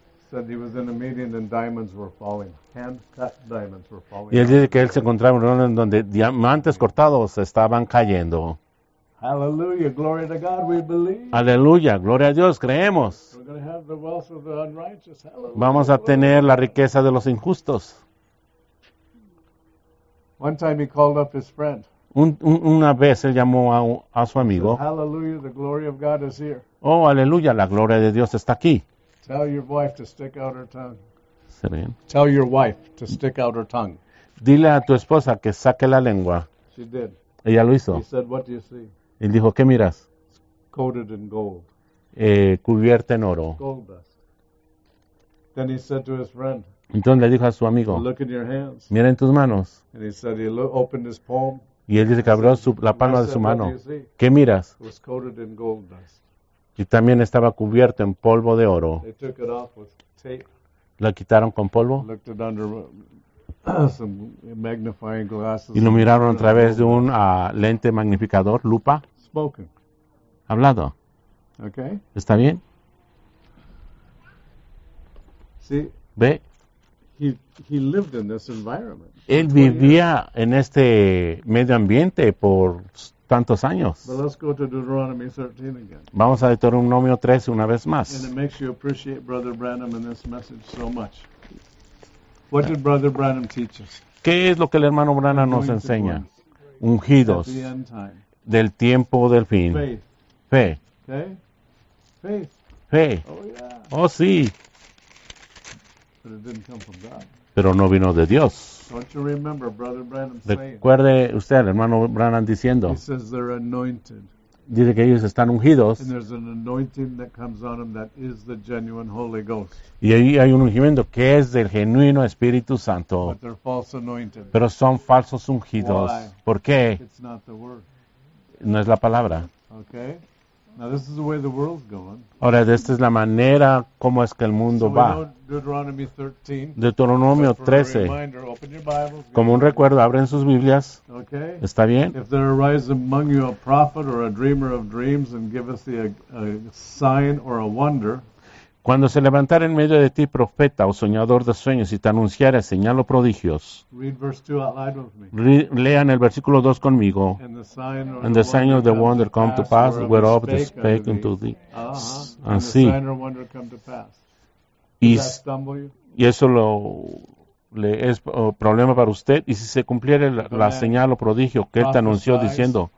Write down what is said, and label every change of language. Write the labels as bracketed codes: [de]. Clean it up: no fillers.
[en] Said he was in a meeting and diamonds were falling. Hand-cut diamonds were falling. [es] Y él dice que él se encontraba en un lugar donde diamantes cortados estaban cayendo. [en] Hallelujah, glory to God, we believe. [es] Aleluya, gloria a Dios, creemos. [en] We're going to have the wealth of the unrighteous. Hallelujah. [es] Vamos a tener la riqueza de los injustos. [en] One time he called up his friend. [es] Una vez él llamó a su amigo. [en] Said, hallelujah, the glory of God is here. [es] Oh, aleluya, la gloria de Dios está aquí. [en] Tell your wife to stick out her tongue. [es] ¿Serían? [en] Tell your wife to stick out her tongue. [es] Dile a tu esposa que saque la lengua. [en] She did. [es] Ella lo hizo. [en] He said, what do you see? [es] Él dijo, ¿qué miras? [en] It's coated in gold. [es] Cubierta en oro. [en] Gold dust. Then he said to his friend. [es] Entonces le dijo a su amigo. [en] Look in your hands. [es] Mira en tus manos. [en] And he said, he opened his palm. [es] Y él dice que abrió la palma de su mano. ¿Qué miras? [en] It was coated in gold dust. [es] Y también estaba cubierto en polvo de oro. [en] They took it off with tape. [es] ¿La quitaron con polvo? [en] Looked it under some magnifying glasses. [es] Y lo miraron a través de un lente magnificador, lupa. [en] Spoken. [es] Hablado. [en] Okay. [es] ¿Está bien? [en] See, [es] ¿ve? [en] He lived in this environment. [es] Él vivía en este medio ambiente por tantos años. [en] But let's go to Deuteronomy 13 again. [es] Vamos a Deuteronomio 13 una vez más. [en] And it makes you appreciate Brother Branham in this message so much. What did Brother Branham teach us? [es] ¿Qué es lo que el hermano Branham nos enseña? Ungidos. [en] At the end time. [es] Del tiempo del fin. Fe. Fe. Okay. Fe. Fe. [en] Oh, yeah. [es] Oh, sí. [en] But it didn't come from God. [es] Pero no vino de Dios. [en] Don't you remember Brother Branham saying? [es] Recuerde usted al hermano Branham diciendo. [en] He says they're anointed. [es] Dice que ellos están ungidos. [en] And there's an anointing that comes on them that is the genuine Holy Ghost. [es] Y ahí hay un ungimiento que es del genuino Espíritu Santo. [en] But they're false anointed. [es] Pero son falsos ungidos. [en] Why? [es] ¿Por qué? [en] It's not the word. [es] No es la palabra. [en] Okay. Now this is the way the world's going. [es] Ahora, esta es la manera como es que el mundo [en] so [es] va. [en] Deuteronomy 13. [es] Deuteronomio 13. [en] Reminder, open your Bibles, [es] como un recuerdo, abren sus Biblias. [en] Okay. [es] ¿Está bien? [en] If there arises among you a prophet or a dreamer of dreams and giveth thee a sign or a wonder. [es] Cuando se levantare en medio de ti profeta o soñador de sueños y te anunciare señal o prodigios. [en] Read verse 2 out loud with me. [es] Lean el versículo 2 conmigo. [en] And the sign or the wonder come to pass, whereof the spake unto thee. Uh-huh. And the sign or wonder come to pass. Does that stumble you? [es] Y eso le es problema para usted. Y si se cumpliere la señal o prodigio que él te anunció diciendo.